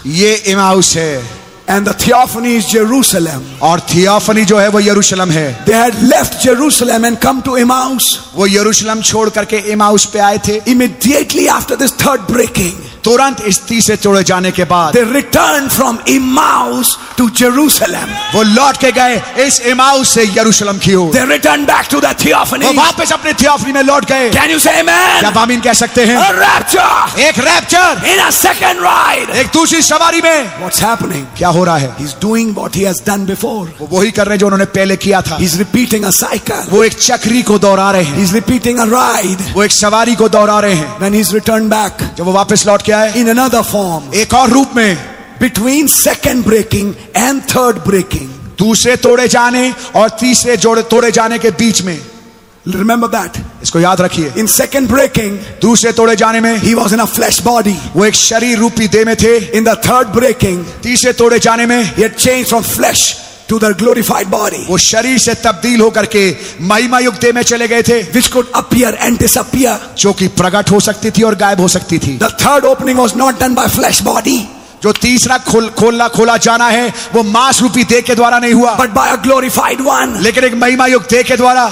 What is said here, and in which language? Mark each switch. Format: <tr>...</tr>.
<hi>ये Emmaus है.</hi> <en>And the theophany is Jerusalem.</en> <hi>और थियोफनी जो है वो यरूशलम है.</hi> <en>They had left Jerusalem and come to Emmaus.</en> <hi>वो यरूशलम छोड़ करके Emmaus पे आए थे.</hi> <en>Immediately after this third breaking.</en> <hi>तुरंत इस तीसरे तोड़े जाने के बाद.</hi> <en>They returned from Emmaus to Jerusalem.</en> <hi>वो लौट के गए इस Emmaus से यरूशलम की ओर.</hi> <en>They returned back to the theophany.</en> <hi>वो वापस अपने थियोफनी में लौट गए.</hi> <en>Can you say amen?</en> <hi>क्या आमीन कह सकते हैं?</hi> <en>A rapture.</en> <hi>एक rapture.</hi> <en>In a second ride.</en> <hi>एक दूसरी सवारी में.</hi> <en>What's happening?</en> <hi>क्या हो रहा है?</hi> <en>He's doing what he has done before.</en> <hi>वो वही कर रहे हैं जो उन्होंने पहले किया था.</hi> <en>He's repeating a cycle.</en> <hi>वो एक चक्री को दोहरा रहे हैं.</hi> <en>He's repeating a ride.</en> <hi>वो एक सवारी को दोहरा रहे हैं.</hi> <en>When he's returned back.</en> <hi>जब वो वापस लौट के आए.</hi> <en>In another form.</en> <hi>एक और रूप में.</hi> <en>Between second breaking and third breaking.</en> <hi>दूसरे तोड़े जाने और तीसरे जोड़े तोड़े जाने के बीच में.</hi> <en>Remember that.</en> <hi>इसको याद रखिए.</hi> <en>In second breaking,</en> <hi>दूसरे तोड़े जाने में,</hi> <en>he was in a flesh body.</en> <hi>वो एक शरीर रूपी देह में थे.</hi> <en>In the third breaking,</en> <hi>तीसरे तोड़े जाने में,</hi> <en>he had changed from flesh to the glorified body.</en> <hi>वो शरीर से तब्दील होकर के महिमा युग देह में चले गए थे.</hi> <en>Which could appear and disappear.</en> <hi>जो कि प्रकट हो सकती थी और गायब हो सकती थी.</hi> <en>The third opening was not done by flesh body.</en> <hi>जो तीसरा खोला खोला जाना है वो मांस रूपी देह के द्वारा नहीं हुआ.</hi> <en>But by a glorified one.</en> <hi>लेकिन एक महिमा युग देह के द्वारा.</hi>